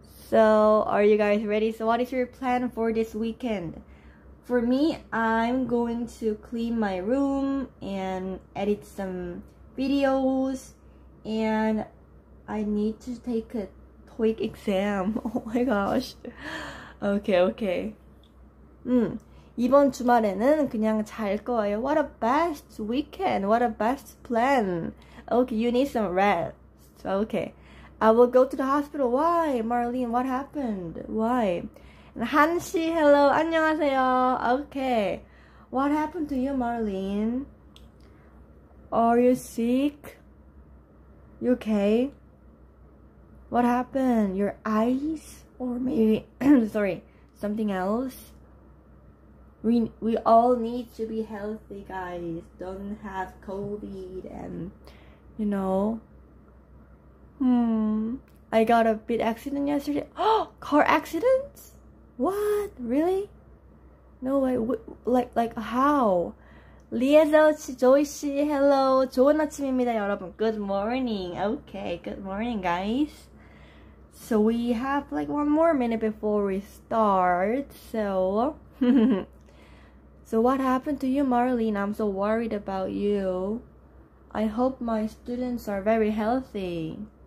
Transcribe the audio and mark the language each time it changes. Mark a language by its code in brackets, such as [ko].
[en] So, are you guys ready? So, what is your plan for this weekend? For me, I'm going to clean my room and edit some videos. And I need to take a TOEIC exam. Oh my gosh. Okay. [ko] 이번 주말에는 그냥 잘 거예요. [en] What a best weekend. What a best plan. Okay, you need some rest. Okay. I will go to the hospital. Why, Marlene? What happened? Why? Han Shi, hello. [ko] 안녕하세요. [en] Okay. What happened to you, Marlene? Are you sick? You okay? What happened? Your eyes? Or maybe, sorry, something else. We all need to be healthy, guys. Don't have COVID and, you know. I got a big accident yesterday. Oh, car accident? What? Really? No way. Like how? 리에서 씨, 조이 씨, hello. [ko] 좋은 아침입니다, 여러분. [en] Good morning. Okay, good morning, guys. So we have like one more minute before we start, so so what happened to you, Marlene? I'm so worried about you. I hope my students are very healthy.